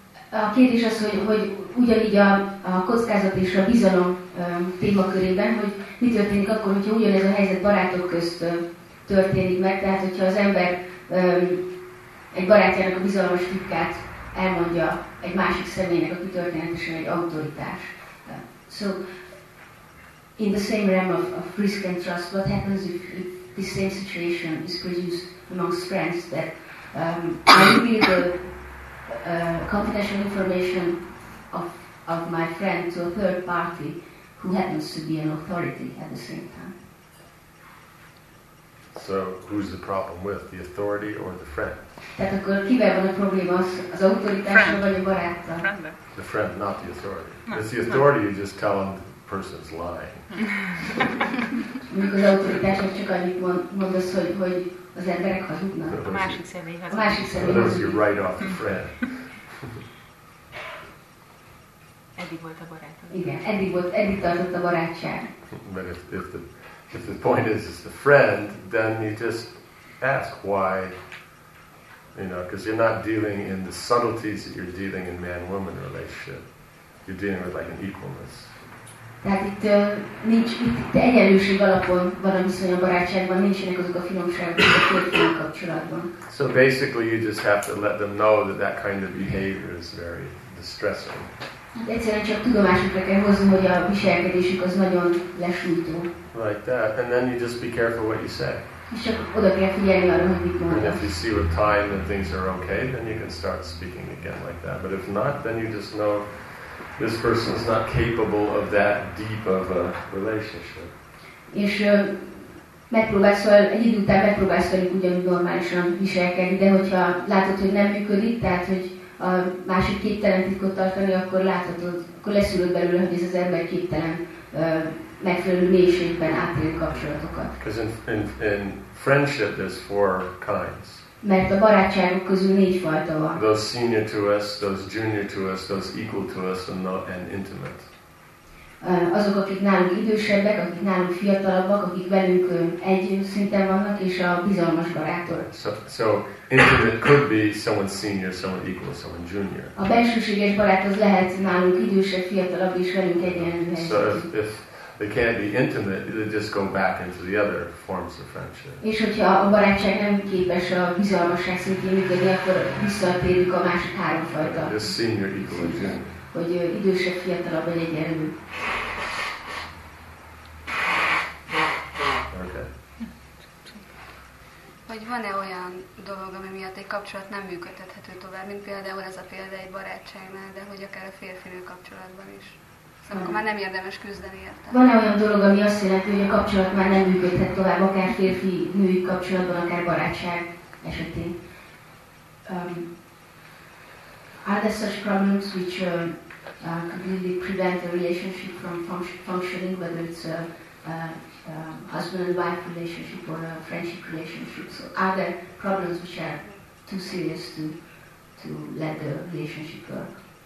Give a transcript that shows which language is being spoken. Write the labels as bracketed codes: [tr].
[hu] A kérdés az, hogy ugyanígy a kockázat és a bizalom témakörében, hogy mi történik akkor, hogyha ugyanez a helyzet barátok közt történik meg, tehát hogyha az ember egy barátjának a bizalmas titkát elmondja egy másik személynek, aki történetesen egy autoritás. [en] So, in the same realm of risk and trust, what happens if this same situation is produced amongst friends that maybe the confidential information of my friend to a third party who happens to be an authority at the same time. So who's the problem with, the authority or the friend? [hu] Tehát akkor kivel van a probléma, az autoritással vagy a baráttal? [en] The friend, not the authority. No. It's the authority, no. You just tell them the person's lying. [hu] Mondjuk az autoritásnak csak annyit mondasz, hogy az emberek hazudnak. A másik személy hazudik. A másik személy hazudik. [en] Or those you write off the friend. [hu] Eddig volt a barátod. Igen, eddig tartott a barátság. [en] But if the point is the friend, then you just ask why, you know, because you're not dealing in the subtleties that you're dealing in man-woman relationship. You're dealing with like an equalness. [hu] Tehát itt nincs, itt egyenlőség alapon van a viszony a barátságban, nincsenek azok a finomságok a kérdő kapcsolatban. [en] So basically you just have to let them know that that kind of behavior is very distressing. [hu] Egyszerűen csak tudomásukra kell hozni, hogy a viselkedésük az nagyon lesújtó. [en] Like that, and then you just be careful what you say. [hu] És csak oda kell figyelni arra, hogy mit mondasz. [en] And if you see with time that things are okay, then you can start speaking again like that. But if not, then you just know this person is not capable of that deep of a relationship. [hu] És megpróbálsz velük ugyanúgy normálisan viselkedni, de hogyha látod, hogy nem működik, tehát hogy a másik képtelen titkot tartani, akkor láthatod, akkor leszülöd belőle, hogy ez az ember képtelen megfelelő mélységben átélni kapcsolatokat. [en] In friendship there's four kinds. [hu] Mert a barátságok közül négy fajta van. [en] Those senior to us, those junior to us, those equal to us, and intimate. [hu] Azok, akik nálunk idősebbek, akik nálunk fiatalabbak, akik velünk egy szinten vannak, és a bizalmas barátok. [en] So intimate could be someone senior, someone equal, someone junior. [hu] A bensőséges barát az lehet nálunk idősebb, fiatalabb, és velünk egyenlő helyzetű. [en] So if they can't be intimate, they just go back into the other forms of friendship. [hu] És hogyha a barátság nem képes a bizalmasság szintjén működni, akkor visszatérünk a másik három fajta. [en] Just senior, equal, and junior. [hu] Hogy idősebb, fiatalabb, vagy egyenlő. Vagy van-e olyan dolog, ami miatt egy kapcsolat nem működhethető tovább, mint például ez a példa egy barátságnál, de hogy akár a férfinő kapcsolatban is. Szóval akkor már nem érdemes küzdeni érte. Van-e olyan dolog, ami azt jelenti, hogy a kapcsolat már nem működhet tovább, akár férfi-női kapcsolatban, akár barátság esetén? [en] Are there such problems which completely prevent the relationship from functioning, whether it's husband and wife relationship or a friendship relationship? So are there problems which are too serious to let the relationship work?